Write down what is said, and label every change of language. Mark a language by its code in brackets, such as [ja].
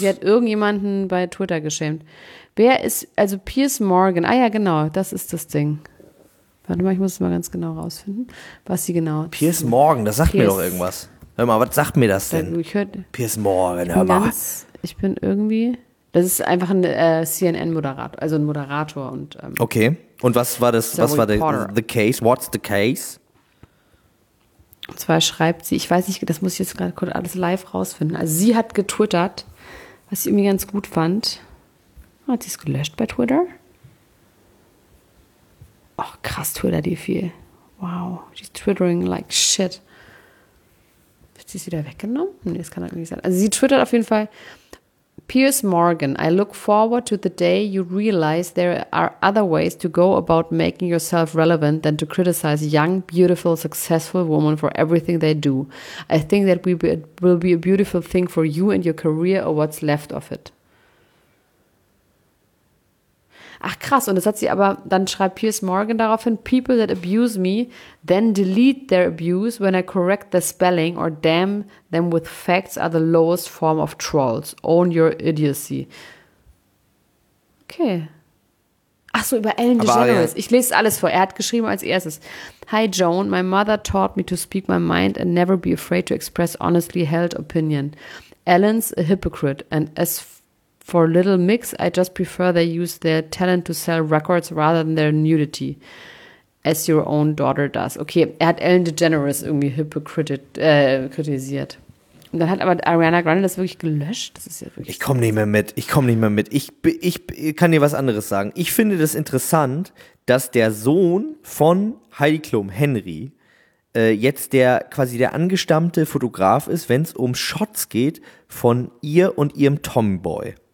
[de] Sie hat irgendjemanden bei Twitter geschämt. Wer ist, also Piers Morgan, ah ja genau, das ist das Ding. Warte mal, ich muss es mal ganz genau rausfinden, was sie genau... Piers Morgan, das sagt mir doch irgendwas. Hör mal, was sagt mir das denn? Piers Morgan, hör mal. Ich bin irgendwie... Das ist einfach ein CNN-Moderator, also ein Moderator. Und, okay, und was war das, was war [en] the case? What's the case? [de] Und zwar schreibt sie, ich weiß nicht, das muss ich jetzt gerade kurz alles live rausfinden. Also sie hat getwittert, was sie irgendwie ganz gut fand. Hat sie es gelöscht bei Twitter? Ach, krass, twittert die viel. [en] Wow, she's twittering like shit. [de] Wird sie es wieder weggenommen? Nee, das kann doch nicht sein. Also sie twittert auf jeden Fall... [en] Piers Morgan, I look forward to the day you realize there are other ways to go about making yourself relevant than to criticize young, beautiful, successful women for everything they do. I think that will be a beautiful thing for you and your career or what's left of it. [de] Ach krass, und das hat sie aber, dann schreibt Piers Morgan daraufhin, people that abuse me then delete their abuse when I correct the spelling or damn them with facts are the lowest form of trolls. Own your idiocy. Okay. Ach so, über Ellen DeGeneres. Ich lese alles vor. Er hat geschrieben als erstes. [en] Hi Joan, my mother taught me to speak my mind and never be afraid to express honestly held opinion. Ellen's a hypocrite and as for Little Mix, I just prefer they use their talent to sell records rather than their nudity, as your own daughter does. [de] Okay, er hat Ellen DeGeneres irgendwie kritisiert. Und dann hat aber Ariana Grande das wirklich gelöscht. Das ist ja wirklich. Ich komme nicht mehr mit. Ich kann dir was anderes sagen. Ich finde das interessant, dass der Sohn von Heidi Klum, Henry, jetzt quasi der angestammte Fotograf ist, wenn es um Shots geht von ihr und ihrem Tomboy.